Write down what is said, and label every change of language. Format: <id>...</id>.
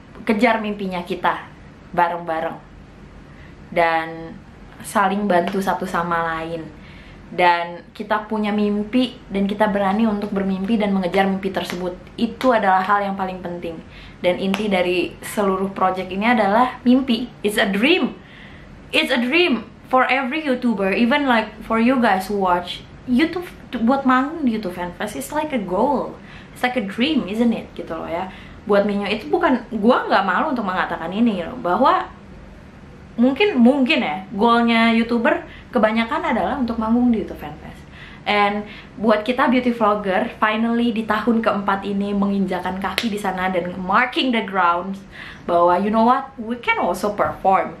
<id>kejar mimpinya kita bareng-bareng dan saling bantu satu sama lain. Dan kita punya mimpi dan kita berani untuk bermimpi dan mengejar mimpi tersebut. Itu adalah hal yang paling penting. Dan inti dari seluruh project ini adalah mimpi.</id> <en>It's a dream. It's a dream for every YouTuber, even like for you guys who watch YouTube,</en> <id>buat manggung di YouTube Fanfest,</id> <en>it's like a goal. It's like a dream, isn't it?</en> <id>Gitu loh ya. Buat Minyo itu bukan, gua enggak malu untuk mengatakan ini loh, bahwa mungkin ya, goalnya YouTuber kebanyakan adalah untuk manggung di YouTube Fanfest. And buat kita beauty vlogger,</id> <en>finally</en> <id>di tahun keempat ini menginjakan kaki di sana dan</id> <en>marking the ground</en> <id>bahwa</id> <en>you know what, we can also perform.</en>